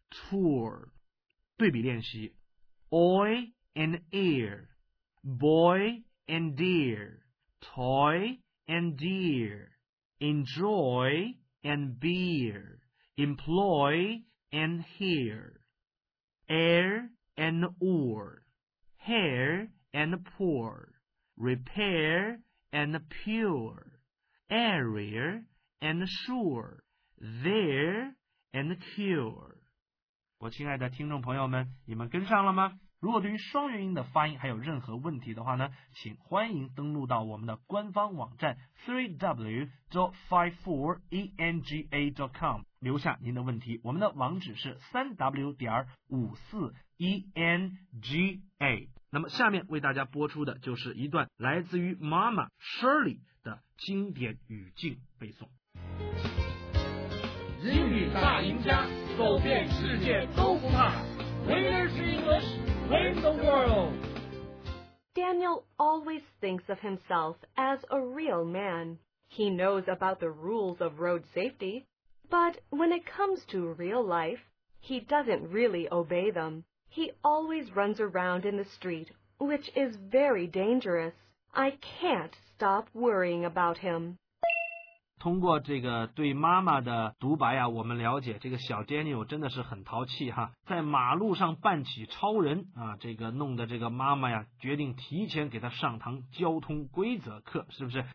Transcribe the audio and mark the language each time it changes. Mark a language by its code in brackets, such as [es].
[en] Tour, [zh] 对比练习 [en] Oi and ear, boy and deer, toy and dear, enjoy and beer, employ and hear, air and oar, hair and poor, repair and pure, area and sure, there and cure. [zh] 我亲爱的听众朋友们，你们跟上了吗？如果对于双元音的发音还有任何问题的话呢，请欢迎登录到我们的官方网站 www.54enga.com 留下您的问题。我们的网址是 3w.54enga。那么下面为大家播出的就是一段来自于妈妈 Shirley 的经典语境背诵。英语大赢家，走遍世界都不怕。 [en] Winners English, win the world. Daniel always thinks of himself as a real man. He knows about the rules of road safety, but when it comes to real life, he doesn't really obey them. He always runs around in the street, which is very dangerous. I can't stop worrying about him. [zh] 通过这个对妈妈的独白啊，我们了解这个小 Daniel 真的是很淘气哈，在马路上扮起超人啊，这个弄得这个妈妈呀决定提前给他上堂交通规则课，是不是？